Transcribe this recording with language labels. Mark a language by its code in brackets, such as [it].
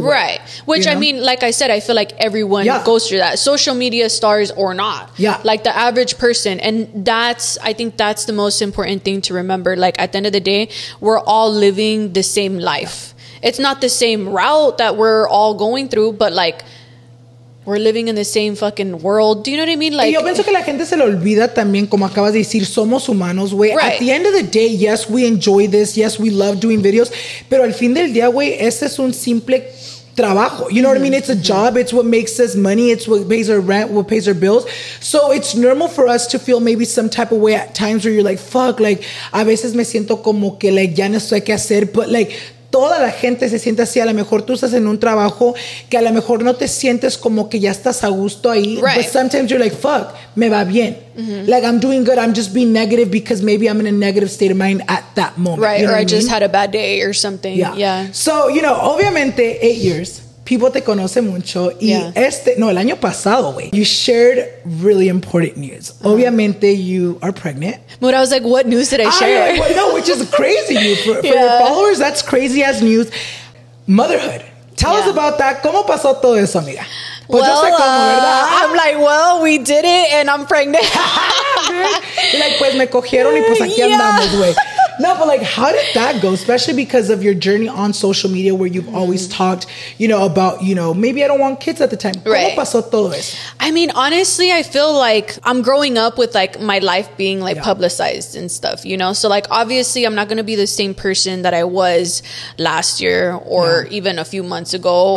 [en] right way, which I mean, like I said, I feel like everyone goes through that, social media stars or not, like the average person. And that's, I think that's the most important thing to remember, like at the end of the day, we're all living the same life. It's not the same route that we're all going through, but like we're living in the same fucking world. Do you know what I mean? Like, [es] y yo pienso que la gente se le olvida también, como acabas de decir, somos humanos, güey. [en] At the end of the day, yes, we enjoy this. Yes, we love doing videos. [es] Pero al fin del día, güey, este es un simple trabajo. [en] You know what I mean? It's a job. It's what makes us money. It's what pays our rent, what pays our bills. So it's normal for us to feel maybe some type of way at times where you're like, fuck, like, [es] a veces me siento como que, [en] like, [es] ya no sé qué hacer. [en] But like, [es] toda la gente se siente así. A lo mejor tú estás en un trabajo que a lo mejor no te sientes como que ya estás a gusto ahí. [en] But sometimes you're like, fuck, [es] me va bien. [en] Like, I'm doing good. I'm just being negative because maybe I'm in a negative state of mind at that moment. You know, or I just had a bad day or something. So, you know, obviamente, 8 years, people [es] te conocen mucho. Y este, no, el año pasado, güey, [en] you shared really important news. Obviamente, you are pregnant. But I was like, what news did I share? Like, well, no, which is crazy. For your followers, that's crazy as news. Motherhood. Tell us about that. [es] ¿Cómo pasó todo eso, amiga? Pues [en] well, [es] yo sé cómo, ¿verdad? [en] I'm like, well, we did it and I'm pregnant. Like, [es] pues me cogieron y pues aquí andamos, güey. [en] No, but like, how did that go? Especially because of your journey on social media, where you've always talked, you know, about, you know, maybe I don't want kids at the time. [es] Right. ¿Cómo pasó todo eso? [en] I mean, honestly, I feel like I'm growing up with like my life being like publicized and stuff, you know? So like, obviously I'm not going to be the same person that I was last year or even a few months ago